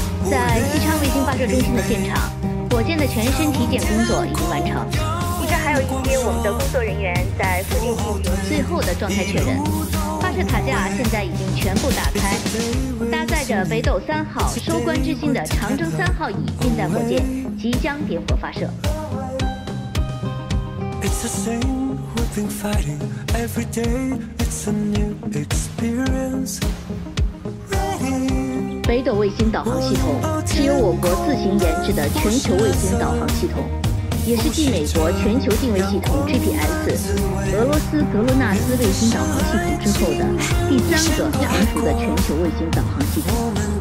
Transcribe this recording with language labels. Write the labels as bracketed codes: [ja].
[zh] 在西昌卫星发射中心的现场，火箭的全身体检工作已经完成。还有一些我们的工作人员在附近进行最后的状态确认，发射塔架现在已经全部打开，搭载着北斗三号收官之星的长征三号乙运载火箭即将点火发射。 [en] It's the same we've been fighting every day. It's a new experience. Ready. [zh] 北斗卫星导航系统是由我国自行研制的全球卫星导航系统，也是继美国全球定位系统 GPS、 俄罗斯格罗纳斯卫星导航系统之后的第三个成熟的全球卫星导航系统。